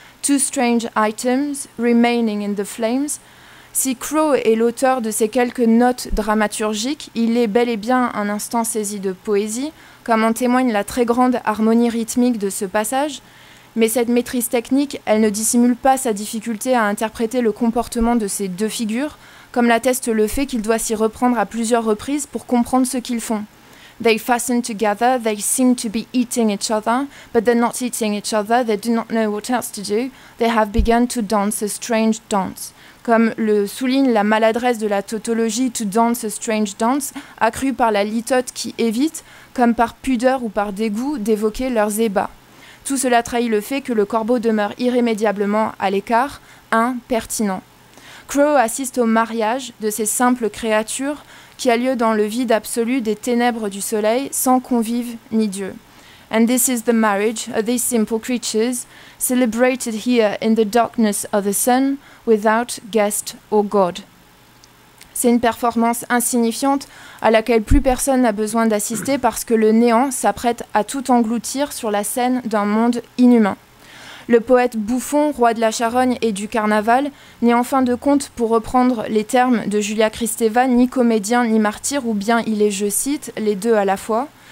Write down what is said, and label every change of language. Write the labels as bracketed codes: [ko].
[en] Two strange items remaining in the flames. [fr] Si Crow est l'auteur de ces quelques notes dramaturgiques, il est bel et bien un instant saisi de poésie, comme en témoigne la très grande harmonie rythmique de ce passage. Mais cette maîtrise technique, elle ne dissimule pas sa difficulté à interpréter le comportement de ces deux figures, comme l'atteste le fait qu'il doit s'y reprendre à plusieurs reprises pour comprendre ce qu'ils font. [en] They fasten together, they seem to be eating each other, but they're not eating each other, they do not know what else to do, they have begun to dance a strange dance. [fr] Comme le souligne la maladresse de la tautologie « [en] to dance a strange dance [fr] », accrue par la litote qui évite, comme par pudeur ou par dégoût, d'évoquer leurs ébats. Tout cela trahit le fait que le corbeau demeure irrémédiablement à l'écart, impertinent. Crow assiste au mariage de ces simples créatures qui a lieu dans le vide absolu des ténèbres du soleil, sans convive ni dieu. [en] And this is the marriage of these simple creatures, celebrated here in the darkness of the sun, without guest or god. [fr] C'est une performance insignifiante à laquelle plus personne n'a besoin d'assister parce que le néant s'apprête à tout engloutir sur la scène d'un monde inhumain. Le poète bouffon, roi de la charogne et du carnaval, n'est en fin de compte, pour reprendre les termes de Julia Kristeva, ni comédien ni martyr, ou bien il est, je cite, les deux à la fois.